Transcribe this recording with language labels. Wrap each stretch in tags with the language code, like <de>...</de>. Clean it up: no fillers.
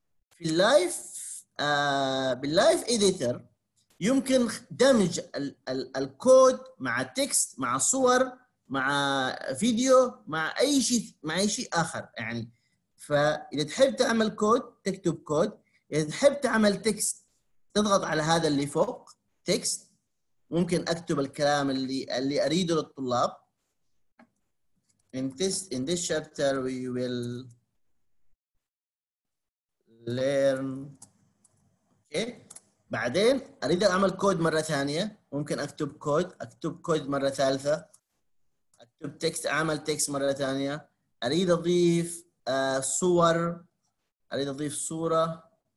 <ar>في اللايف باللايف اديتر يمكن دمج الكود مع التكست مع صور مع فيديو مع اي شيء، مع اي شيء اخر يعني. فاذا تحب تعمل كود تكتب كود، اذا تحب تعمل تكست تضغط على هذا اللي فوق تكست، ممكن اكتب الكلام اللي اريده للطلاب.</ar> <en>In this chapter we will learn. Okay.</en> <ar>بعدين اريد اعمل كود مرة ثانية، ممكن اكتب كود مرة ثالثة، اكتب تكست، اعمل تكست مرة ثانية، اريد اضيف صور، اريد اضيف صورة.</ar>